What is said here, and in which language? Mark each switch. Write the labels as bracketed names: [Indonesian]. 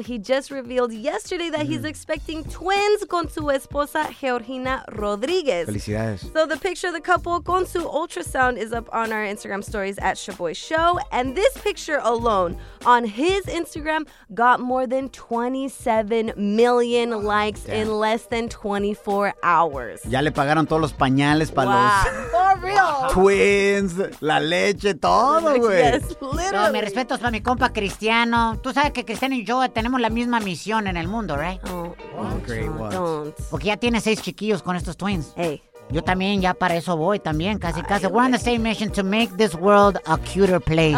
[English] He just revealed yesterday that he's expecting twins con su esposa, Georgina Rodriguez. [Spanish] Felicidades. [English] So the picture of the couple [Spanish] con su [English] ultrasound is up on our Instagram stories at Shaboy Show. And this picture alone on his Instagram got more than 27 million likes in less than 24 hours. [Spanish] Ya le pagaron todos los pañales para los... [English] For real. [Spanish] Twins, la leche, todo, güey. [English] Yes, literally. [Spanish] No, mi respeto es para mi compa Cristiano. Tú sabes que Cristiano y yo tenemos la misma misión en el mundo, right? [English] Oh, great, don't. [Spanish] Porque ya tiene 6 chiquillos con estos twins. [English] Hey. [Spanish] Yo también ya para eso voy también, casi, casi. [English] We're on the same mission to make this world a cuter place.